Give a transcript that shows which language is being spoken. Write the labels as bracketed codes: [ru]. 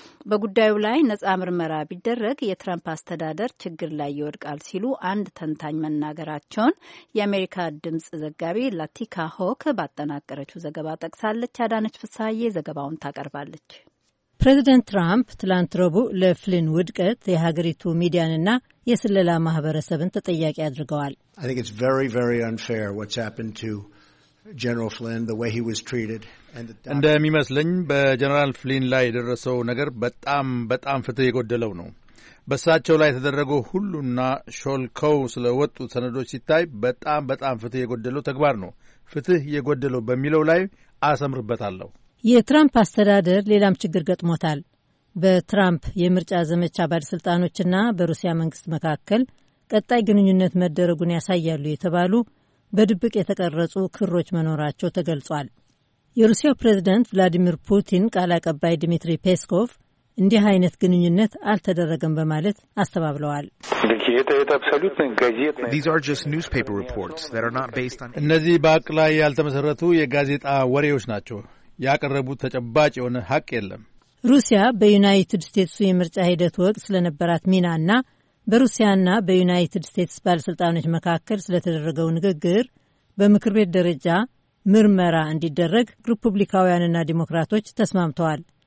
[am] በጉዳዩ ላይ ነጻ ምርመራ ቢደረግ የትራምፕ አስተዳደር ችግር ላይ ይወድቃል ሲሉ አንድ ተንታኝ መናገራቸውን የአሜሪካ ድምጽ ዘጋቢ ላቲካ ሆክ ባጠናቀረችው ዘገባ ጠቅሳለች። አዳነች ፍሳዬ ዘገባውን ታቀርባለች። ፕሬዚደንት ትራምፕ ትላንት ረቡዕ ለፍሊን ውድቀት የሀገሪቱ ሚዲያንና የስለላ ማህበረሰብን ተጠያቂ አድርገዋል። [en] I think it's very, very unfair what's happened to General Flynn, the way he was treated. [am] እንደሚመስለኝ በጀነራል ፍሊን ላይ የደረሰው ነገር በጣም በጣም ፍትህ የጎደለው ነው። በሳቸው ላይ የተደረገው ሁሉና ሾልከው ስለወጡ ሰነዶች ሲታይ በጣም በጣም ፍትህ የጎደለው ተግባር ነው። ፍትህ የጎደለው በሚለው ላይ አሰምርበታለሁ። የትራምፕ አስተዳደር ሌላም ችግር ገጥሞታል። በትራምፕ የምርጫ ዘመቻ ባለስልጣኖችና በሩሲያ መንግስት መካከል ቀጣይ ግንኙነት መደረጉን ያሳያሉ የተባሉ በድብቅ የተቀረጹ ክሮች መኖራቸው ተገልጿል። የሩሲያው ፕሬዝዳንት ቭላዲሚር ፑቲን ቃል አቀባይ ዲሚትሪ ፔስኮቭ እንዲህ አይነት ግንኙነት አልተደረገም በማለት አስተባብለዋል። [en] These are just newspaper reports that are not based on [am] እነዚህ በአቅል ላይ ያልተመሰረቱ የጋዜጣ ወሬዎች ናቸው። ያቀረቡት ተጨባጭ የሆነ ሐቅ የለም። ሩሲያ በዩናይትድ ስቴትስ የምርጫ ሂደት ወቅት ስለነበራት ሚናና በሩሲያና በዩናይትድ ስቴትስ ባለስልጣኖች መካከል ስለተደረገው ንግግር በምክር ቤት ደረጃ ምርመራ እንዲደረግ ሪፑብሊካውያንና ዲሞክራቶች ተስማምተዋል።